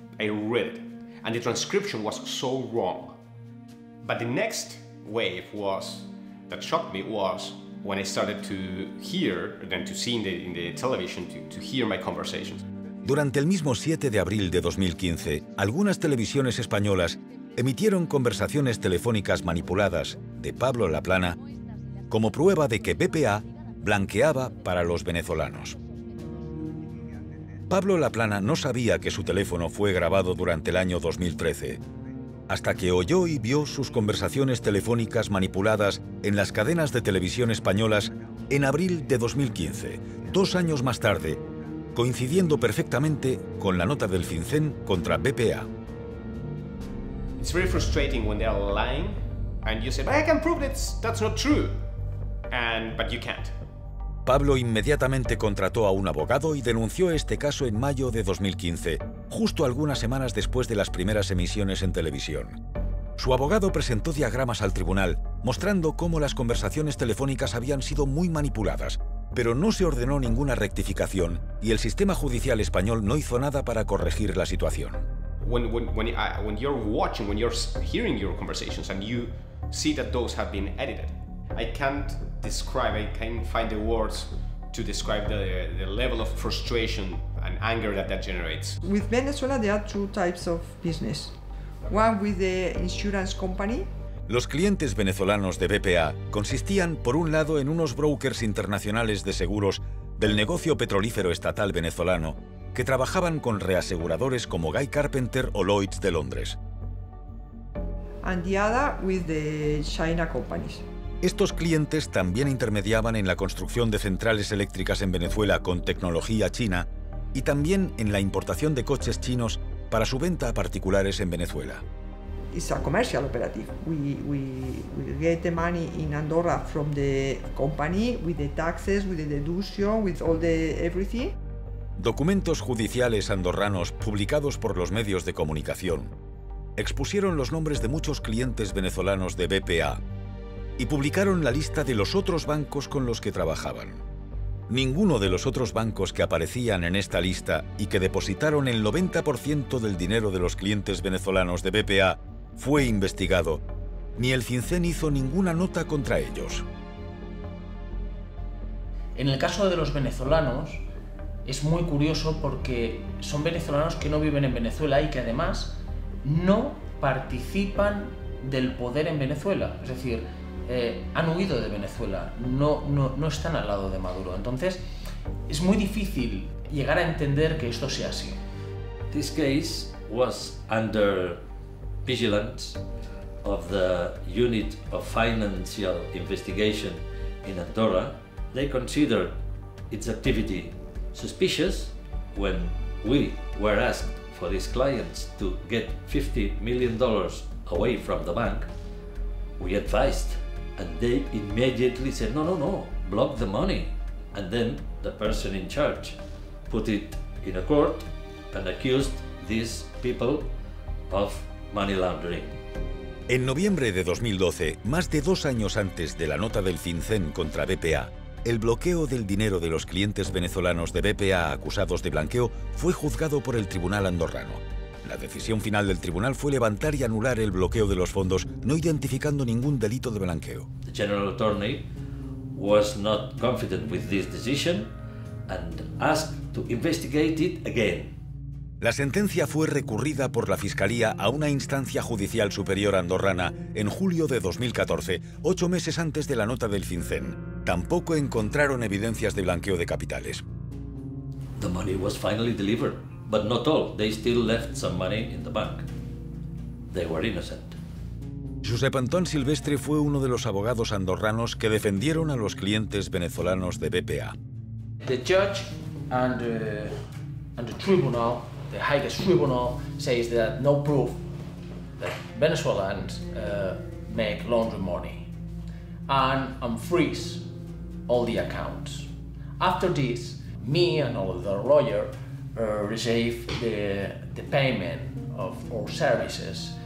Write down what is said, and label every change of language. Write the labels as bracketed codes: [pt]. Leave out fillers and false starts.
[en] I read it, and the transcription was so wrong. But the next wave was that shocked me was when I started to hear, then to see in the television, to hear my conversations. [es] Durante el mismo 7 de abril de 2015, algunas televisiones españolas emitieron conversaciones telefónicas manipuladas de Pablo Laplana como prueba de que BPA blanqueaba para los venezolanos. Pablo Laplana no sabía que su teléfono fue grabado durante el año 2013, hasta que oyó y vio sus conversaciones telefónicas manipuladas en las cadenas de televisión españolas en abril de 2015, 2 años más tarde, coincidiendo perfectamente con la nota del FinCEN contra BPA. [en] It's very frustrating when they are lying and you say, but I can prove that that's not true, but you can't. [es] Pablo inmediatamente contrató a un abogado y denunció este caso en mayo de 2015, justo algunas semanas después de las primeras emisiones en televisión. Su abogado presentó diagramas al tribunal, mostrando cómo las conversaciones telefónicas habían sido muy manipuladas, pero no se ordenó ninguna rectificación y el sistema judicial español no hizo nada para corregir la situación. [en] When you're watching, when you're hearing your conversations and you see that those have been edited, I can't describe, I can't find the words to describe the level of frustration and anger that generates. With Venezuela, there are two types of business. One with the insurance company. [es] Los clientes venezolanos de BPA consistían, por un lado, en unos brokers internacionales de seguros del negocio petrolífero estatal venezolano, que trabajaban con reaseguradores como Guy Carpenter o Lloyd's de Londres. [en] And the other with the China companies. [es] Estos clientes también intermediaban en la construcción de centrales eléctricas en Venezuela con tecnología china y también en la importación de coches chinos para su venta a particulares en Venezuela. [en] It's a commercial operative. We get the money in Andorra from the company with the taxes, with the deduction, with all the everything. [es] Documentos judiciales andorranos publicados por los medios de comunicación expusieron los nombres de muchos clientes venezolanos de BPA y publicaron la lista de los otros bancos con los que trabajaban. Ninguno de los otros bancos que aparecían en esta lista y que depositaron el 90% del dinero de los clientes venezolanos de BPA fue investigado, ni el FinCEN hizo ninguna nota contra ellos. En el caso de los venezolanos, es muy curioso porque son venezolanos que no viven en Venezuela y que además no participan del poder en Venezuela. Es decir, han huido de Venezuela, no están al lado de Maduro. Entonces, es muy difícil llegar a entender que esto sea así. [en] This case was under vigilance of the unit of financial investigation in Andorra. They considered its activity suspicious when we were asked for these clients to get $50 million away from the bank. We advised and they immediately said no, block the money, and then the person in charge put it in a court and accused these people of money laundering. [es] En noviembre de 2012, más de 2 años antes de la nota del FinCEN contra BPA, el bloqueo del dinero de los clientes venezolanos de BPA acusados de blanqueo fue juzgado por el tribunal andorrano. La decisión final del tribunal fue levantar y anular el bloqueo de los fondos, no identificando ningún delito de blanqueo. [en] The general attorney was not confident with this decision and asked to investigate it again. [es] La sentencia fue recurrida por la Fiscalía a una instancia judicial superior andorrana en julio de 2014, 8 meses antes de la nota del FinCEN. Tampoco encontraron evidencias de blanqueo de capitales. [en] The money was finally delivered, but not all. They still left some money in the bank. They were innocent. [es] Josep Anton Silvestre fue uno de los abogados andorranos que defendieron a los clientes venezolanos de BPA. [en] The judge and the tribunal, the highest tribunal, says that no proof that Venezuelans make laundry money, and freeze all the accounts. After this, me and all the lawyer receive the payment of our services.